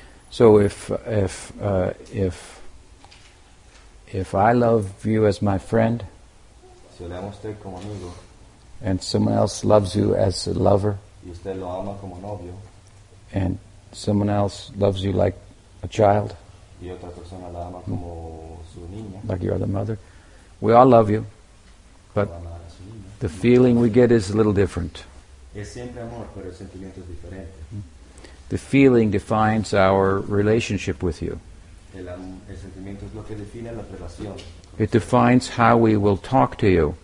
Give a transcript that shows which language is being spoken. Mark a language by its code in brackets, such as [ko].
[en] So if I love you as my friend, [es] si le amo usted como amigo, [en] and someone else loves you as a lover, [es] y usted lo ama como novio, [en] and someone else loves you like a child, [es] y otra persona la ama como su niña, [en] like your other mother, we all love you, but the feeling we get is a little different. [es] Es siempre amor, pero el sentimiento es diferente. [en] The feeling defines our relationship with you. [es] El sentimiento es lo que define la relación. [en] It defines how we will talk to you.